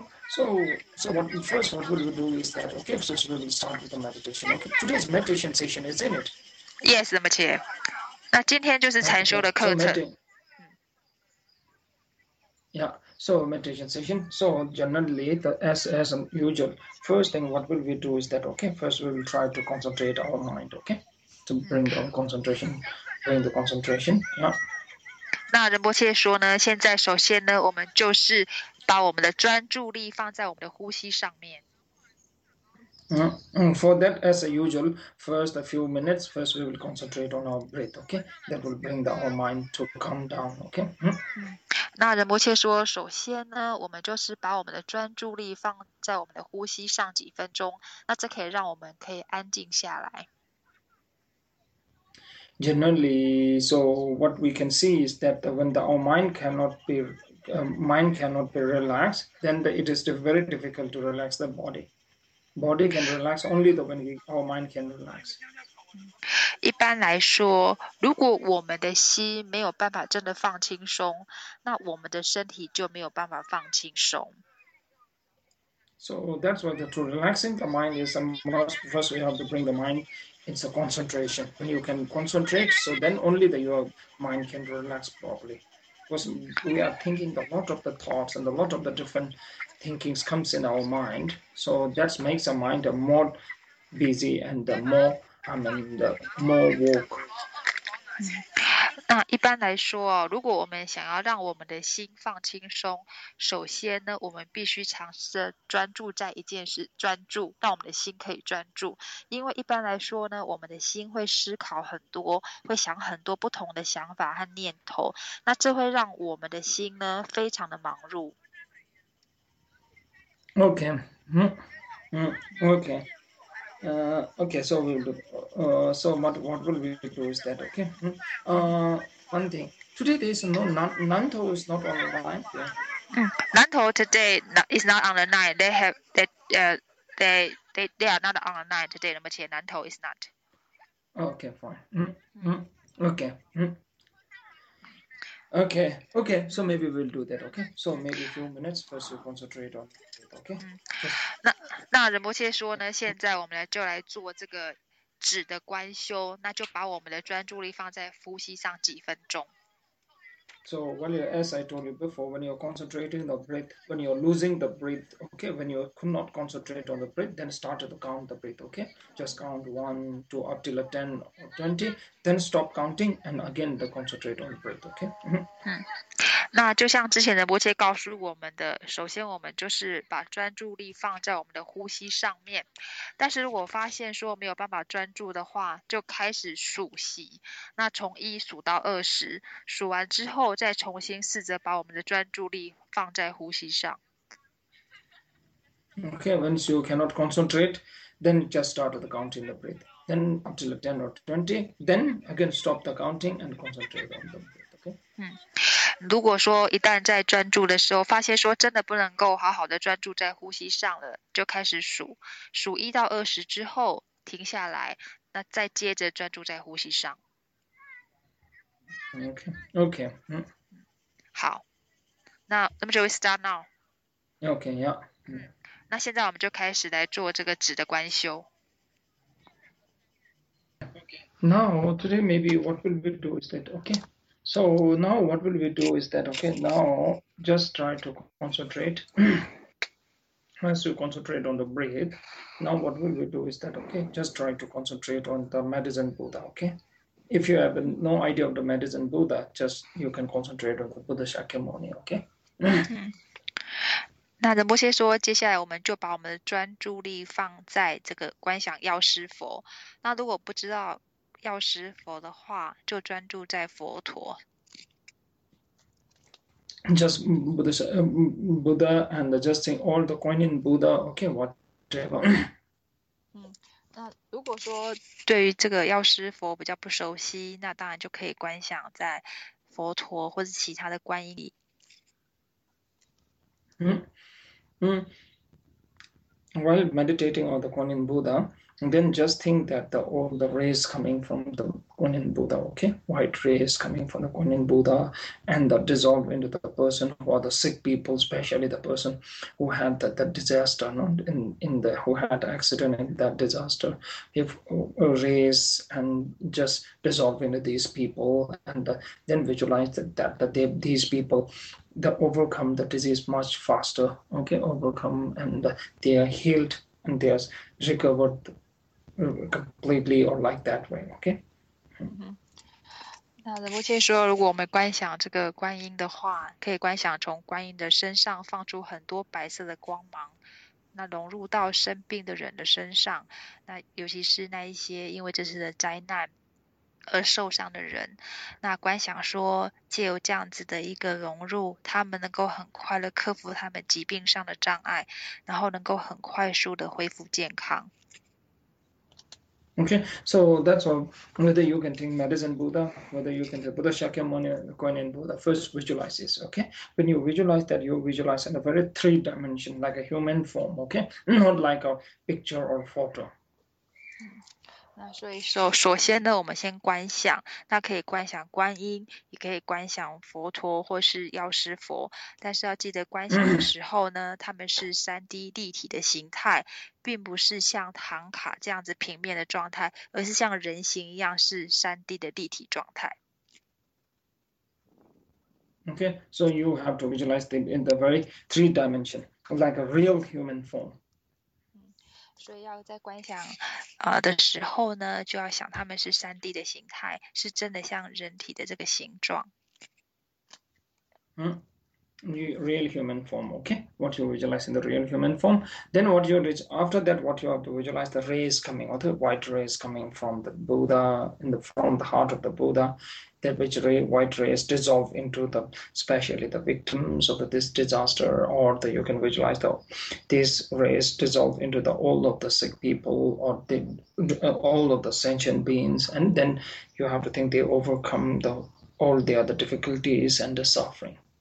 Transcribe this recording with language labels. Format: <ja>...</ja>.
<en>So what first what will we do is that okay, so we will start with the meditation. Okay, today's meditation session is in it. Yes, 仁波切。</en> <zh>那今天就是禅修的课程。</zh> <en>Yeah, so meditation session. So generally, the as usual, first thing what will we do is that okay, first we will try to concentrate our mind, okay, to bring our concentration, bring the concentration. Yeah.</en> <zh>那仁波切说呢，现在首先呢，我们就是把我们的专注力放在我们的呼吸上面。</zh> <en>For that, as usual, first a few minutes, first we will concentrate on our breath, okay? That will bring the our mind to calm down, okay?</en> <zh>那仁波切说，首先呢，我们就是把我们的专注力放在我们的呼吸上几分钟，那这可以让我们可以安静下来。</zh> <en>Generally, so what we can see is that when the our mind cannot be, mind cannot be relaxed, then it is very difficult to relax the body. Body can relax only when our mind can relax.</en> <zh>一般来说，如果我们的心没有办法真的放轻松，那我们的身体就没有办法放轻松。</zh> <en>So that's why to relaxing the mind is first we have to bring the mind into concentration. When you can concentrate, so then only your mind can relax properly. Because we are thinking a lot of the thoughts and a lot of the different. Thinking comes in our mind, so that makes our mind more busy and more, I mean, the more work.</en> <zh>那一般来说，如果我们想要让我们的心放轻松，首先呢，我们必须尝试专注在一件事，专注，让我们的心可以专注。因为一般来说呢，我们的心会思考很多，会想很多不同的想法和念头，那这会让我们的心呢，非常的忙碌。</zh> <en>Okay. Okay. Okay, so we'll do, so what will we do is that, okay? One thing. Today there is no Nantou is not on the line. Yeah. Nantou today is not on the line. They have they are not on the line today, number two. Nantou is not. Okay, fine. Okay, so maybe we'll do that, okay? So maybe a few minutes first we concentrate on it, okay?</en> <zh>那仁波切说呢，现在我们来就来做这个止的观修，那就把我们的专注力放在呼吸上几分钟。</zh> <en>So when you, as I told you before, when you're concentrating the breath, when you're losing the breath, okay, when you could not concentrate on the breath, then start to count the breath, okay? Just count 1, 2, up till 10 or 20, then stop counting and again the concentrate on the breath, okay?</en> <zh>那就像之前的波切告诉我们的，首先我们就是把专注力放在我们的呼吸上面，但是如果发现说没有办法专注的话，就开始数息，那从一数到二十，数完之后再重新试着把我们的专注力放在呼吸上。</zh> <en>Okay, once you cannot concentrate, then just start the counting the breath. Then up to 10 or 20, then again stop the counting and concentrate on the breath. Okay.</en> <zh>如果说一旦在专注的时候发现说真的不能够好好的专注在呼吸上了，就开始数，数一到二十之后停下来，那再接着专注在呼吸上。</zh> <en>Okay.</en> <zh>好，那</zh> <en>Let me just start now. Okay. Yeah.</en> <zh>那现在我们就开始来做这个止的观修。</zh> <en>Okay. Now today maybe what will we do is that okay? So now what will we do is that, okay, now just try to concentrate. As you concentrate on the breath, now what will we do is that, okay, just try to concentrate on the medicine Buddha, okay? If you have no idea of the medicine Buddha, just you can concentrate on the Buddha Shakyamuni, okay?</en> <zh>那仁波切说，接下来我们就把我们的专注力放在这个观想药师佛。那如果不知道药师佛的话，就专注在佛陀。</zh> <en>Just Buddha, Buddha, and just think all the coin in Buddha. Okay, whatever.</en> <zh>那如果说对于这个药师佛比较不熟悉，那当然就可以观想在佛陀或者其他的观音里。</zh> <en>While meditating on the coin in Buddha. And then just think that the, all the rays coming from the Kuan Yin Buddha, okay? White rays coming from the Kuan Yin Buddha and the dissolve into the person who are the sick people, especially the person who had the disaster, not in the, who had accident in that disaster. If rays and just dissolve into these people and then visualize that they, these people, they overcome the disease much faster, okay? Overcome and they are healed. And they are recovered completely or like that way, okay?</en> <zh>那仁波切说，如果我们观想这个观音的话，可以观想从观音的身上放出很多白色的光芒，那融入到生病的人的身上，那尤其是那一些因为这次的灾难而受伤的人，那观想说借由这样子的一个融入，他们能够很快的克服他们疾病上的障碍，然后能够很快速的恢复健康。</zh> <en>Okay, so that's all. Whether you can think medicine Buddha, whether you can think Buddha Shakyamuni, Kuan Yin Buddha, first visualize this, okay? When you visualize that, you visualize in a very three dimension, like a human form, okay? Not like a picture or photo.</en> <zh>那所以说，首先呢，我们先观想，那可以观想观音，也可以观想佛陀或是药师佛，但是要记得观想的时候呢，他们是 3D 立体的形态，并不是像唐卡这样子平面的状态，而是像人形一样是 3D 的立体状态。</zh> <en>Okay, so you have to visualize them in the very three dimension, like a real human form.</en> <zh>所以要在观想的时候呢，就要想他们是 3D 的形态，是真的像人体的这个形状。</zh> <en>real human form, okay? What you visualize in the real human form. Then what you reach after that, what you have to visualize the rays coming, or the white rays coming from the Buddha, from the heart of the Buddha, that which white rays dissolve into the, especially the victims of this disaster, or that you can visualize these rays dissolve into the all of the sick people, or all of the sentient beings, and then you have to think they overcome all the other difficulties and the suffering.</en>